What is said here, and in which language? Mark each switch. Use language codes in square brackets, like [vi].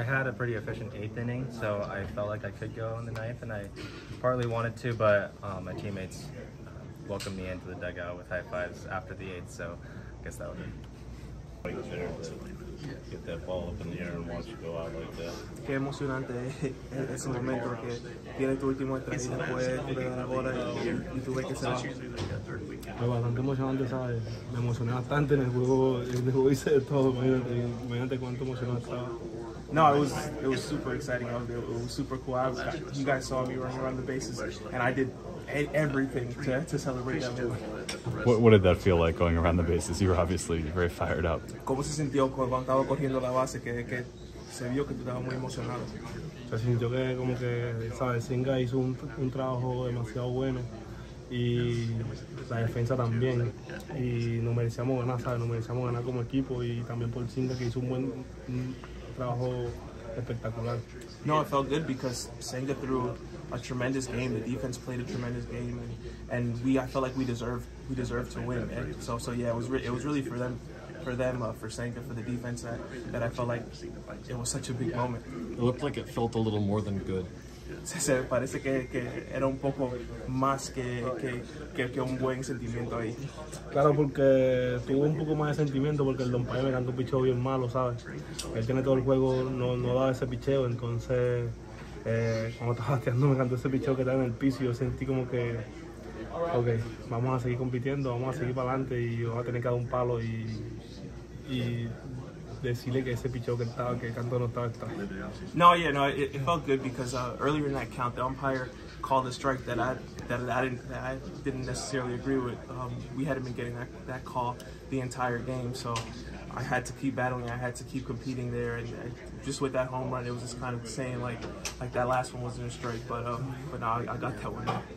[en] I had a pretty efficient eighth inning, so I felt like I could go in the ninth, and I partly wanted to, but my teammates welcomed me into the dugout with high fives after the eighth, so I guess that was it. Get that ball up in the air and watch it go out like that. [es] Qué emocionante es ese momento que tiene tu último estrella después de la hora y tú ves que se va. Fue bastante emocionante, ¿sabes? Me emocioné bastante en el juego. En el juego hice de todo. Imagínate cuánto emocionante estaba. [en] No, it was super exciting. It was super cool. You guys saw me running around the bases, and I did everything to celebrate that move. What did that feel like going around the bases? You were obviously very fired up. [es] ¿Cómo se sintió cuando estaba corriendo la base? Que se vio que tú estabas muy emocionado. Se sintió que como que sabes, Senga hizo un trabajo demasiado bueno y la defensa también y no merecíamos ganar, sabes, no merecíamos ganar como equipo y también por Senga que hizo un buen trabajo espectacular. [en] No, it felt good because Senga threw a tremendous game. The defense played a tremendous game, and we I felt like we deserved to win. And so yeah, it was really for Senga, for the defense that I felt like it was such a big moment. It looked like it felt a little more than good. [es] Se parece que era un poco más que un buen sentimiento ahí. Claro, porque tuvo un poco más de sentimiento porque el Don Payne me cantó un picheo bien malo, ¿sabes? Él tiene todo el juego, no da ese picheo, entonces cuando estaba bateando me cantó ese picheo que estaba en el piso y yo sentí como que, ok, vamos a seguir compitiendo, vamos a seguir para adelante y yo voy a tener que dar un palo y decirle que ese picheo que estaba, que cantó no estaba extra. [en] No, yeah, no, it felt good because earlier in that count, the umpire called a strike that I didn't necessarily agree with. We hadn't been getting that call the entire game, so I had to keep battling, I had to keep competing there, and just with that home run, it was just kind of saying like that last one wasn't a strike, but now I got that one.